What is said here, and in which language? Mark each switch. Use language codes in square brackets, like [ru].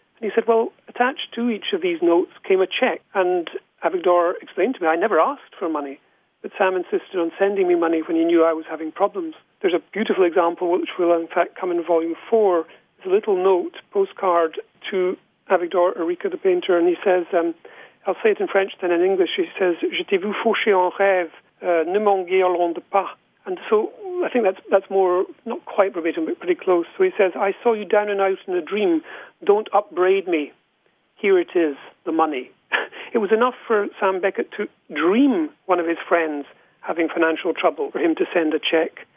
[en] And he said, well, attached to each of these notes came a check. And Avigdor explained to me, I never asked for money, but Sam insisted on sending me money when he knew I was having problems. There's a beautiful example, which will in fact come in Volume 4. It's a little note, postcard, to Avigdor Erika, the painter, and he says, I'll say it in French, then in English. She says, [fr] "Je t'ai vu faucher en rêve, ne m'en guirlande pas." [en] And so I think that's more, not quite verbatim, but pretty close. So he says, "I saw you down and out in a dream. Don't upbraid me. Here it is, the money." It was enough for Sam Beckett to dream one of his friends having financial trouble for him to send a check.